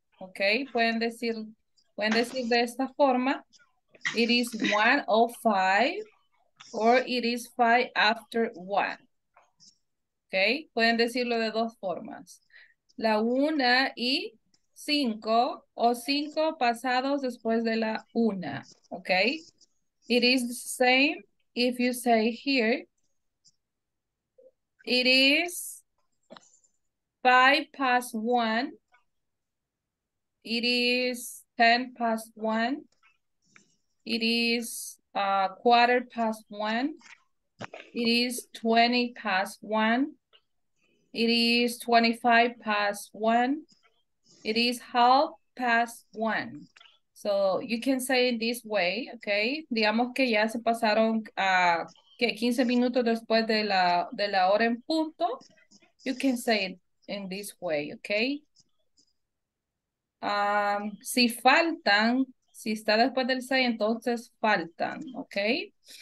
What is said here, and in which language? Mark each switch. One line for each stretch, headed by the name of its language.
English: Okay,
Spanish: pueden decir de esta forma,
English: it is 1:05 or it is 1:05.
Spanish: Okay, pueden decirlo de dos formas. La una y cinco o cinco pasados después de la una.
English: Okay. It is the same if you say here, it is 5 past 1, it is 10 past 1, it is 1:15, it is 20 past 1, It is 25 past one. It is half past one. So you can say it this way, okay?
Spanish: Digamos que ya se pasaron 15 minutos después de la hora en punto.
English: You can say it in this way, okay?
Spanish: Si faltan, si está después del 6, entonces faltan, okay?